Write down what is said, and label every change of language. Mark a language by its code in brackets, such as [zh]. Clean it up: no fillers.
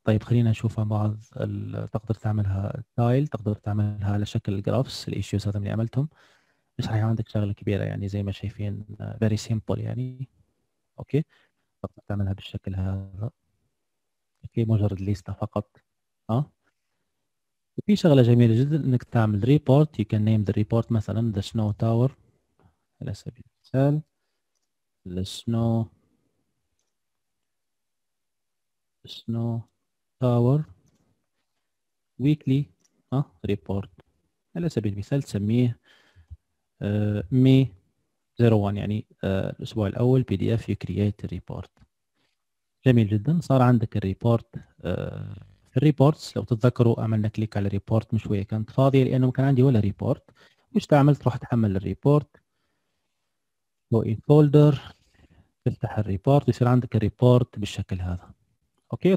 [ar] طيب خلينا نشوف مع بعض تقدر تعملها تايل، تقدر تعملها على شكل جرافس الايشيوز هذا اللي عملتهم. بس هي عندك شغله كبيره يعني زي ما شايفين فيري سيمبل يعني اوكي تقدر تعملها بالشكل هذا اوكي مجرد ليست فقط. في شغلة جميلة جدا انك تعمل ريبورت، [en] you can name the report [ar] مثلا the snow tower على سبيل المثال the snow tower weekly report على سبيل المثال تسميه May 01 يعني الأسبوع الأول PDF [en] you create a report. [ar] جميل جدا صار عندك الريبورت. الريبورتس لو تتذكروا عملنا كليك على ريبورت من شويه كانت فاضيه لانه ما كان عندي ولا ريبورت. وش تعمل؟ تروح تحمل الريبورت جو ان فولدر تفتح الريبورت يصير عندك الريبورت بالشكل هذا اوكي.